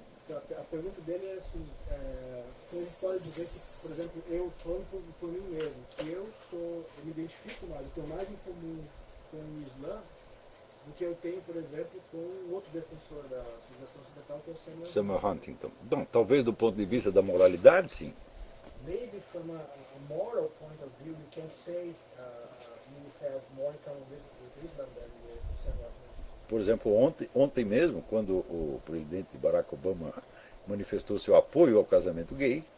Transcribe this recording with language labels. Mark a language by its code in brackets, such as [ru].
[pt] A pergunta dele é assim, como a gente pode dizer que, por exemplo, eu falo por mim mesmo, que eu me identifico mais, eu tenho mais em comum com o Islã do que eu tenho, por exemplo, com outro defensor da civilização ocidental, que é o Samuel Huntington. Bom, talvez do ponto de vista da moralidade, sim. [en] Maybe from a moral point of view, you can say you have more in common with Islam than with Samuel. [pt] Por exemplo, ontem mesmo, quando o presidente Barack Obama manifestou seu apoio ao casamento gay,